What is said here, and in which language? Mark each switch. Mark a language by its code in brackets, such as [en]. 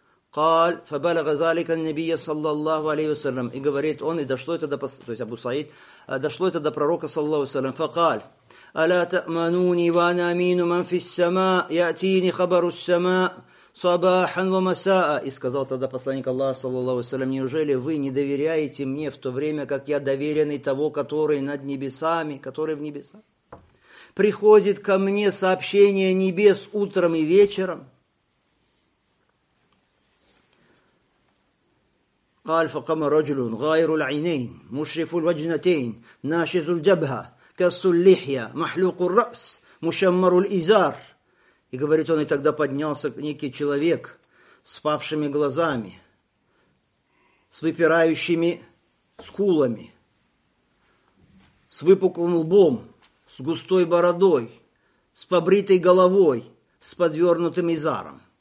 [ar] Кал, фабалага залика [ru] ан-набия саллаллаху алейхи ва саллям, и говорит он, и дошло это до, то есть Абу Саид, дошло это до пророка, саллаллаху алейхи ва саллям, факал, [ar] ألا تأمنوني وأنا أمين من في السماء يأتيني خبر السماء صباحا ومساء. [ru] И сказал тогда посланник Аллаха, саллаллаху алейхи ва саллям, неужели вы не доверяете мне в то время, как я доверенный того, который над небесами, который в небесах? Приходит ко мне сообщение небес утром и вечером. [ar] قال فقام رجل غائر العينين مشرف الوجنتين ناشز الجبهة Кассуллихья, махлюку рас, мушаммарул изар. [ru] И говорит он, и тогда поднялся некий человек с павшими глазами, с выпирающими скулами, с выпуклым лбом, с густой бородой, с побритой головой, с подвернутым изаром.